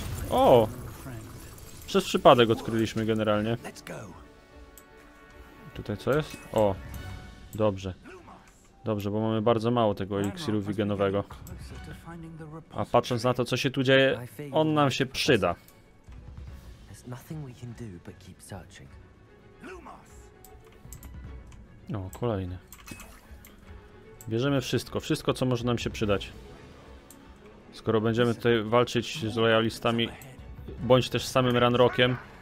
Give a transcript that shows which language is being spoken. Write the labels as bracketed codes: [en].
[pl] O! Przez przypadek odkryliśmy generalnie. Tutaj co jest? O, dobrze. Dobrze, bo mamy bardzo mało tego eliksiru wigenowego. A patrząc na to, co się tu dzieje, on nam się przyda. [en] Nothing we can do but keep searching. [pl] Lumos. No, kolejne. Bierzemy wszystko, wszystko co może nam się przydać. Skoro będziemy tutaj walczyć z lojalistami bądź też z samym Ranrockiem.